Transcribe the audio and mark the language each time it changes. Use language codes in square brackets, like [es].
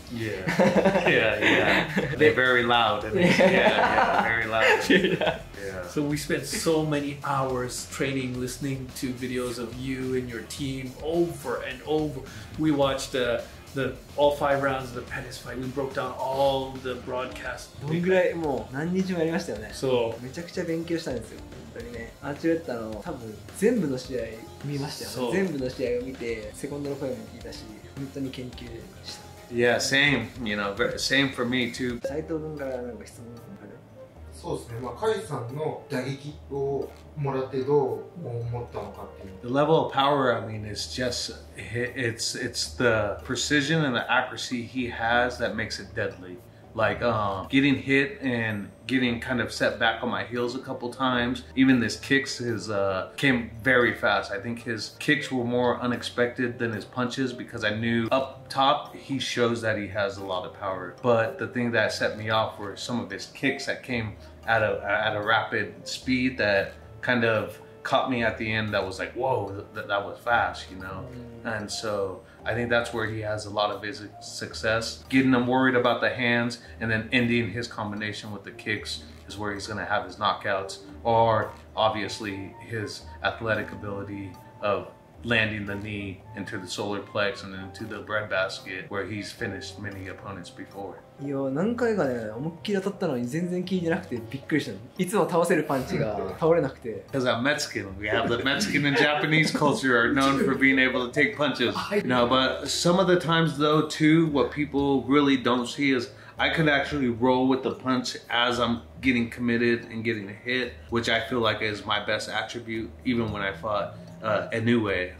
[en] Yeah. They're very loud. Very loud. Yeah. So we spent so many hours training, listening to videos of you and your team over and over. We watched the all five rounds of the Pettis fight. We broke down all the broadcasts. [ja] どんぐらい、もう何日もやりましたよね。 [en] So, [ja] めちゃくちゃ勉強したんですよ。アーチェレッタの多分全部の試合見ましたよ、ね、全部の試合を見てセコンドの声も聞いたし本当に研究でした。 [en] Yeah, same. You know, same for me too. [ja] 斉藤君からなんか質問ある？そうですね。まあ、カイさんの打撃をもらってどう思ったのかっていう。 [en] The level of power, I mean, is just it's the precision and the accuracy he has that makes it deadly. like getting hit and getting kind of set back on my heels a couple times. Even his kicks came very fast. I think his kicks were more unexpected than his punches because I knew up top he shows that he has a lot of power. But the thing that set me off were some of his kicks that came at a rapid speed that kind of caught me at the end. That was like, whoa, that was fast, you know? And so I think that's where he has a lot of his success. Getting him worried about the hands and then ending his combination with the kicks is where he's gonna have his knockouts, or obviously his athletic ability of landing the knee into the solar plex and into the bread basket where he's finished many opponents before. [ja] いや、何回かね、思いっきり当たったのに全然効いてなくてびっくりしたの。いつも倒せるパンチが倒れなくて。 [en] Because I'm Mexican. We have the Mexican and Japanese culture are known for being able to take punches. No, but some of the times though too, what people really don't see is I could actually roll with the punch as I'm getting committed and getting a hit, which I feel like is my best attribute even when I fought Inoue.